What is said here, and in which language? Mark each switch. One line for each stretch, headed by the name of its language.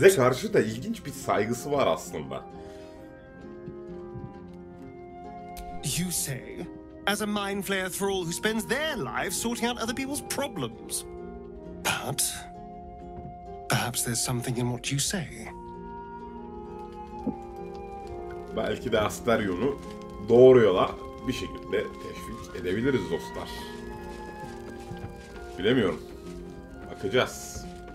Turkish: Size karşı da ilginç bir saygısı var aslında.
English: You say, as a mind flayer thrall who spends their lives sorting out other people's problems. But perhaps there's something in what you say.
Turkish: Belki de Asterion'u doğru yola bir şekilde teşvik edebiliriz dostlar. Bilemiyorum. Bakacağız.